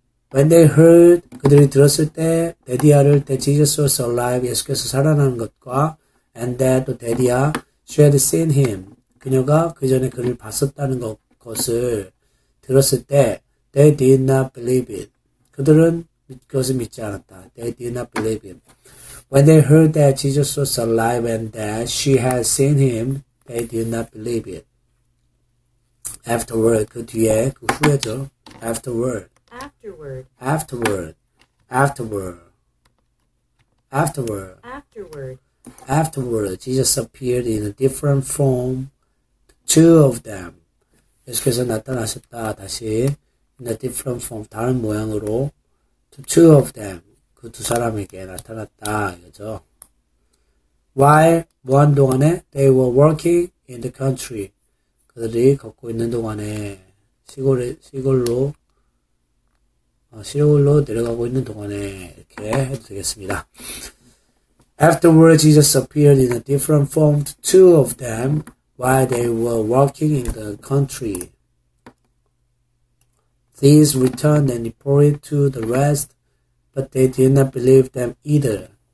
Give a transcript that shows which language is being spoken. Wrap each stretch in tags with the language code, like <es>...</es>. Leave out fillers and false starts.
<en>When they heard,</en> <ko>그들이 들었을 때,</ko> <en>that the other, that Jesus was alive,</en> <ko>예수께서 살아난 것과,</ko> <en>and that Daddy, she had seen him,</en> <ko>그녀가 그 전에 그를 봤었다는 것을 들었을 때,</ko> <en>they did not believe it.</en> <ko>그들은 그것을 믿지 않았다.</ko> <en>They did not believe it. When they heard that Jesus was alive and that she had seen him, they did not believe it. Afterward,</en> <ko>그 뒤에, 그 후에죠.</ko> <en>Afterward. Afterward. Afterward. Afterward. Afterward. Afterward, Jesus appeared in a different form to two of them.</en> <ko>예수께서 나타나셨다, 다시.</ko> <en>In a different form,</en> <ko>다른 모양으로.</ko> <en>To two of them,</en> <ko>그 두 사람에게 나타났다, 그죠?</ko> <en>While,</en> <ko>무한 동안에,</ko> <en>they were working in the country.</en> <ko>그들이 걷고 있는 동안에, 시골로 내려가고 있는 동안에, 이렇게 해도 되겠습니다.</ko> <en>Afterward, Jesus appeared in a different form to two of them while they were walking in the country. These returned and reported to the rest, but they did not believe them either.</en>